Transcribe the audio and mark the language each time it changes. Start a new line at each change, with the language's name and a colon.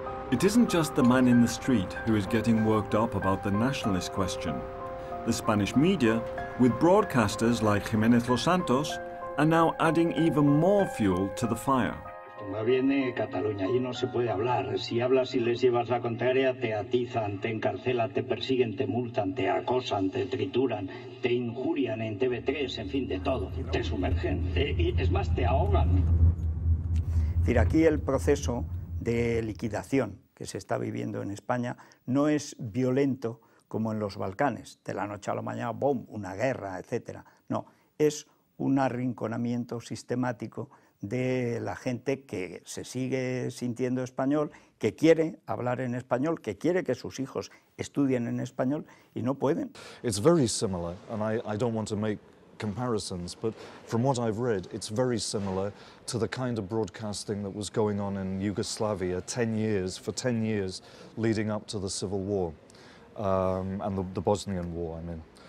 English: It isn't just the man in the street who is getting worked up about the nationalist question. The Spanish media, with broadcasters like Jiménez Los Santos, are now adding even more fuel to the fire.
Spanish: Más bien en Cataluña, allí no se puede hablar. Si hablas y les llevas la contraria, te atizan, te encarcelan, te persiguen, te multan, te acosan, te trituran, te injurian en TV3, en fin, de todo. Te sumergen, es más, te ahogan. Mira, aquí el proceso de liquidación que se está viviendo en España no es violento como en los Balcanes, de la noche a la mañana, ¡boom!, una guerra, etcétera. No, es un arrinconamiento sistemático de la gente que se sigue sintiendo español, que quiere hablar en español, que quiere que sus hijos estudien en español y no pueden.
English: It's very similar, and I don't want to make comparisons, but from what I've read, it's very similar to the kind of broadcasting that was going on in Yugoslavia for 10 years leading up to the civil war, and the Bosnian war, I mean.